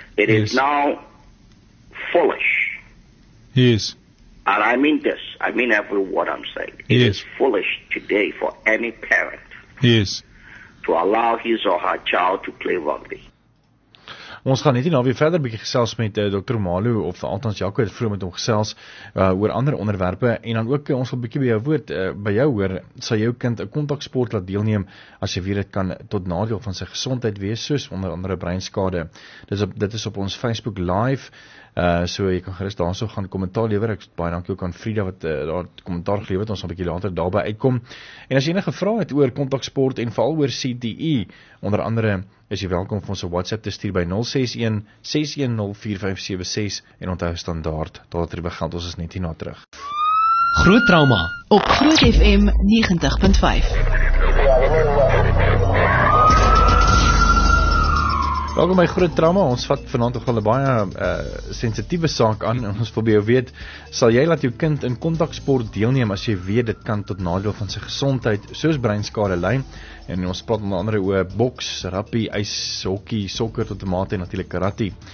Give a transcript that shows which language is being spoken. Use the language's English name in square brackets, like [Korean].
[English] It yes is now foolish. Yes. And I mean this. I mean every word I'm saying. It yes is foolish today for any parent. Yes. To allow his or her child to play rugby. [Afrikaans] Ons gaan net hier nou weer verder bietjie gesels met Dr. Malu of althans Jaco het vroeg met hom gesels oor ander onderwerpe en dan ook ons wil bietjie by jou woord by jou hoor sal jou kind 'n kontaksport laat deelneem as jy weet dit kan tot nadeel van sy gesondheid wees soos onder andere breinskade. Dit is op ons Facebook live. So jy kan gerus daarso gaan kommentaar lewer. Ek baie dankie ook aan Frieda wat daar kommentaar gelewer het. Ons sal 'n bietjie later daarby uitkom. En as jy enige vrae het oor kontaksport en veral oor CTE onder andere is jy welkom om ons 'n WhatsApp te stuur by 061-610-4576 en onthou standaard, daar het geld, ons is net hierna terug. Groot Trauma op Groot FM 90.5. Welkom by Groot Trauma, ons vat vanavond ook al een baie sensitieve saak aan, en ons wil by jou weet, sal jy laat jou kind in kontaksport deelneem, as jy weet dit kan tot nadeel van sy gezondheid, soos breinskade lei, en ons praat onder andere oor boks, rugby, ys, hokkie, sokker tot tomate en natuurlik karate.